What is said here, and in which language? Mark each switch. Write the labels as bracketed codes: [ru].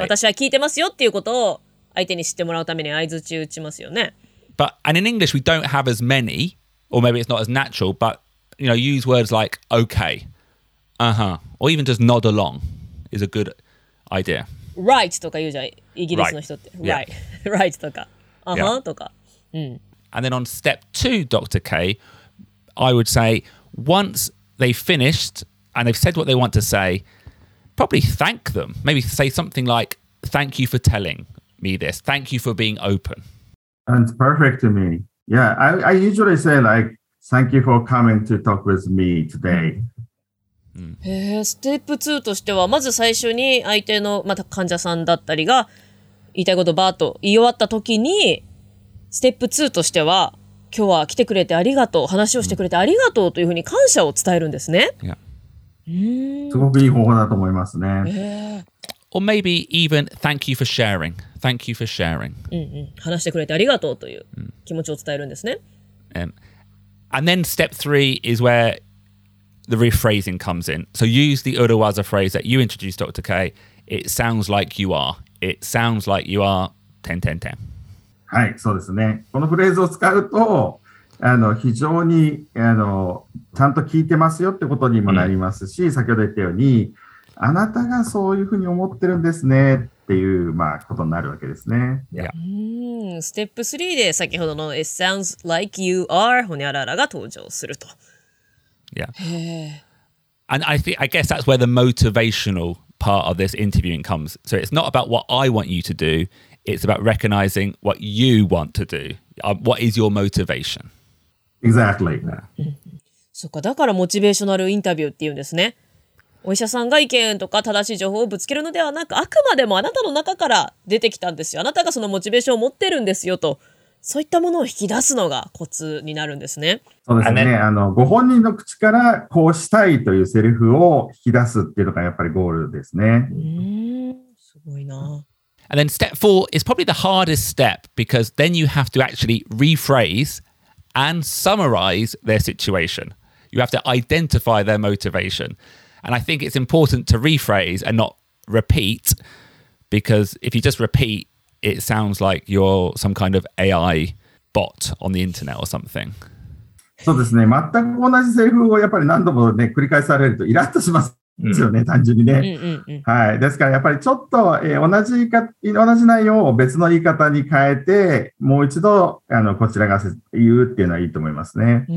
[ja] 私は聞いてますよっていうことを相手に知ってもらうために相槌打ちますよね。 [en] But, and in English, we don't have as many, or maybe it's not as natural, butYou know, use words like okay, uh-huh, or even just nod along is a good idea. [ja] Right, とか言うじゃん、イギリスの人って。Right, [en] yeah. [ja] right, とか。Uh-huh, とか。 [en] And then on step two, Dr. K, I would say, once they finished and they've said what they want to say, probably thank them. Maybe say something like, thank you for telling me this. Thank you for being open. That's perfect to me. Yeah, I usually say like,Thank you for coming to talk with me today. [ja] ステップ2としては、まず最初に相手の、また患者さんだったりが言いたいことをバーッと言い終わった時に、ステップ2としては、今日は来てくれてありがとう、話をしてくれてありがとうというふうに感謝を伝えるんですね。すごくいい方法だと思いますね。 [en] Or maybe even thank you for sharing. Thank you for sharing. [ja] 話してくれてありがとうという気持ちを伝えるんですね。 [en] And then step three is where the rephrasing comes in. So use the Uruwaza phrase that you introduced, Dr. K. It sounds like you are. It sounds like you are 10-10-10. [ja] はい、そうですね。このフレーズを使うと、非常に、ちゃんと聞いてますよってことにもなりますし、先ほど言ったように、あなたがそういうふうに思ってるんですねっていう、まあ、ことになるわけですね。ステップ3で先ほどの [en] It sounds like you are [ja] ほにゃららが登場すると。 [en] Yeah. And I guess that's where the motivational part of this interviewing comes. So it's not about what I want you to do, it's about recognizing what you want to do. What is your motivation? Exactly. [ja] そっか、だからモチベーショナルインタビューっていうんですね。お医者さんが意見とか正しい情報をぶつけるのではなく、あくまでもあなたの中から出てきたんですよ。あなたがそのモチベーションを持ってるんですよと、そういったものを引き出すのがコツになるんですね。そうですね。ご本人の口からこうしたいというセリフを引き出すっていうのがやっぱりゴールですね。すごいな。 [en] And then step four is probably the hardest step because then you have to actually rephrase and summarize their situation. You have to identify their motivation. And I think it's important to rephrase and not repeat, because if you just repeat, it sounds like you're some kind of AI bot on the internet or something. [ja] そうですね。全く同じセリフをやっぱり何度もね繰り返されるとイラッとしますよね。単純にね。はい。ですからやっぱりちょっと、同じ内容を別の言い方に変えてもう一度こちらが言うっていうのはいいと思いますね。